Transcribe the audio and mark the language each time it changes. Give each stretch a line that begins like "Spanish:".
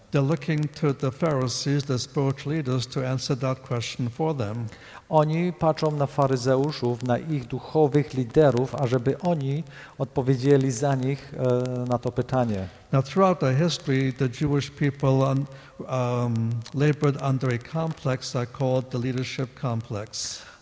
English: They're looking to the Pharisees, the spiritual leaders, to answer that question for them.
Polish: Oni patrzą na faryzeuszów, na ich duchowych liderów, ażeby oni odpowiedzieli za nich na to pytanie.
English: Now throughout the history, the Jewish people labored under a complex that called the leadership complex.